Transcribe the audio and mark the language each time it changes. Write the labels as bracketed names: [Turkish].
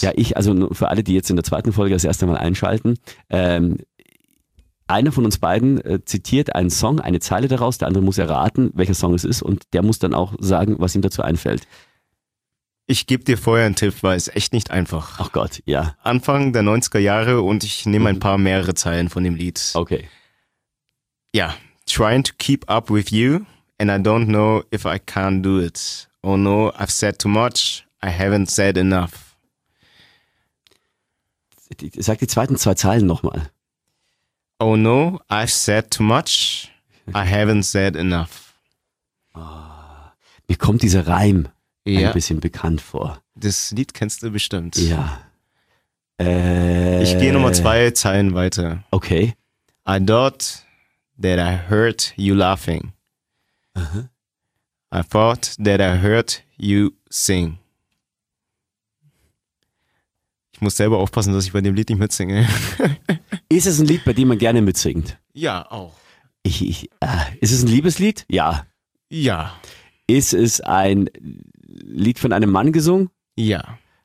[German] Ja, für alle, die jetzt in der zweiten Folge das erste Mal einschalten, einer von uns beiden zitiert einen Song, eine Zeile daraus, der andere muss erraten, welcher Song es ist und der muss dann auch sagen, was ihm dazu einfällt. Ich gebe dir vorher einen Tipp, weil es echt nicht einfach. Ach Gott, ja. Anfang der 90er Jahre und ich nehme ein paar mehrere Zeilen von dem Lied. Okay. [English] Ja, trying to keep up with you and I don't know if I can do it. Oh no, I've said too much, I haven't said enough. [German] Sag die zweiten zwei Zeilen nochmal. [English] Oh no, I've said too much, I haven't said enough. [German] Oh, mir kommt dieser Reim ein bisschen bekannt vor. Das Lied kennst du bestimmt. Ja. Ich gehe nochmal zwei Zeilen weiter. Okay. [English] I thought that I heard you laughing. Uh-huh. I thought that I heard you sing. [German] Ich muss selber aufpassen, dass ich bei dem Lied nicht mitsinge. Ist es ein Lied, bei dem man gerne mitsingt? Ja, auch. Ist es ein Liebeslied? Ja. Ja. Ist es ein Lied von einem Mann gesungen? Ja.